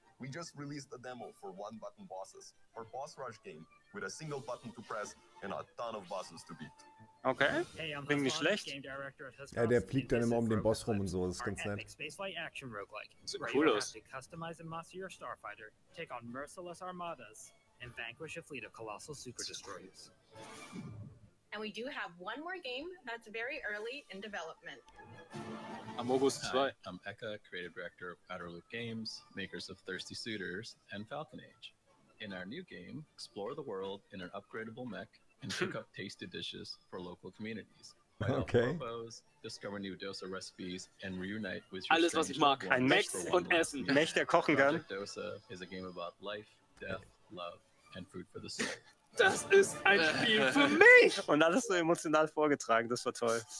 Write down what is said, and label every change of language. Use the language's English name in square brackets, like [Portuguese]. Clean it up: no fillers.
[English] We just released a demo for One Button Bosses, our boss rush game, with a single button to press and a ton of bosses to beat. [German] Okay, klingt nicht schlecht. Ja, der fliegt dann immer um den Boss rum und so, das ist ganz nett. Sieht cool aus. [English] And vanquish a fleet of colossal super destroyers. And we do have one more game that's very early in development. Amogus 2. I'm Eka, creative director of Outer Loop Games, makers of Thirsty Suitors and Falcon Age. In our new game, explore the world in an upgradable mech and cook up tasty dishes for local communities. Okay. Discover new Dosa recipes and reunite with your [German] alles, was ich mag. Ein Mech und Essen. Mech, der kochen kann. [English] Dosa is a game about life, death, love. And food for the soul. [German] Das ist ein Spiel für mich! Und alles so emotional vorgetragen, das war toll.